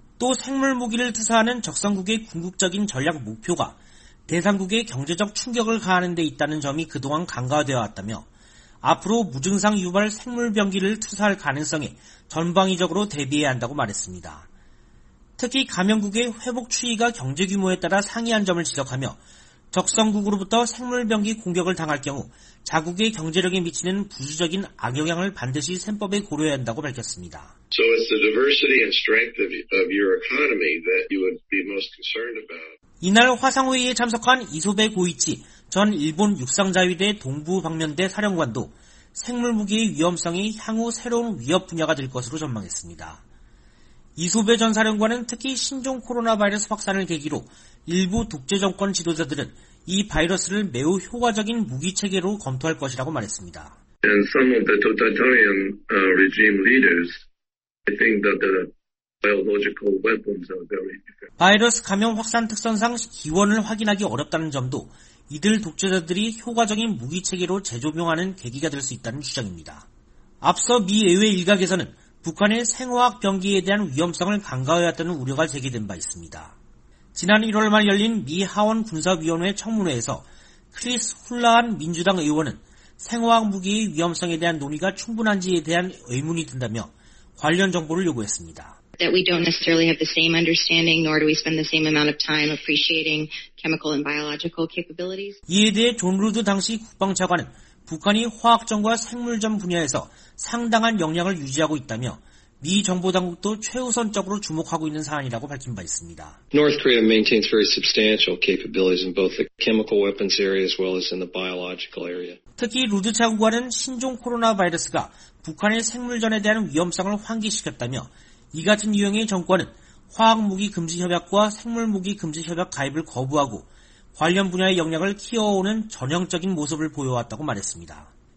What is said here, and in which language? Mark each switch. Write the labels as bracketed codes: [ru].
[ko] 또 생물무기를 투사하는 적성국의 궁극적인 전략 목표가 대상국의 경제적 충격을 가하는 데 있다는 점이 그동안 간과되어 왔다며 앞으로 무증상 유발 생물병기를 투사할 가능성에 전방위적으로 대비해야 한다고 말했습니다. 특히 감염국의 회복 추이가 경제규모에 따라 상이한 점을 지적하며 적성국으로부터 생물병기 공격을 당할 경우 자국의 경제력에 미치는 부수적인 악영향을 반드시 셈법에 고려해야 한다고 밝혔습니다. [en] So it's the diversity and strength of your economy that you would be most concerned about. [ko] 이날 화상회의에 참석한 이소베 고이치 전 일본 육상자위대 동부방면대 사령관도 생물무기의 위험성이 향후 새로운 위협 분야가 될 것으로 전망했습니다. 이소베 전 사령관은 특히 신종 코로나 바이러스 확산을 계기로 일부 독재 정권 지도자들은 이 바이러스를 매우 효과적인 무기 체계로 검토할 것이라고 말했습니다. [en] And some of the totalitarian regime leaders think that the biological weapons are very different. [ko] 바이러스 감염 확산 특성상 기원을 확인하기 어렵다는 점도 이들 독재자들이 효과적인 무기 체계로 재조명하는 계기가 될 수 있다는 주장입니다. 앞서 미 의회 일각에서는 북한의 생화학 병기에 대한 위험성을 간과했다는 우려가 제기된 바 있습니다. 지난 1월 말 열린 미 하원 군사위원회 청문회에서 크리스 훌라한 민주당 의원은 생화학 무기의 위험성에 대한 논의가 충분한지에 대한 의문이 든다며 관련 정보를 요구했습니다. [en] That we don't necessarily have the same understanding, nor do we spend the same amount of time appreciating chemical and biological capabilities. [ko] 이에 대해 존 루드 당시 국방차관은 북한이 화학전과 생물전 분야에서 상당한 역량을 유지하고 있다며 미 정보 당국도 최우선적으로 주목하고 있는 사안이라고 밝힌 바 있습니다. [en] North Korea maintains very substantial capabilities in both the chemical weapons area as well as in the biological area. [ko] 특히 루드 장관은 신종 코로나 바이러스가 북한의 생물전에 대한 위험성을 환기시켰다며 이 같은 유형의 정권은 화학무기 금지 협약과 생물무기 금지 협약 가입을 거부하고 관련 분야의 역량을 키워오는 전형적인 모습을 보여왔다고 말했습니다.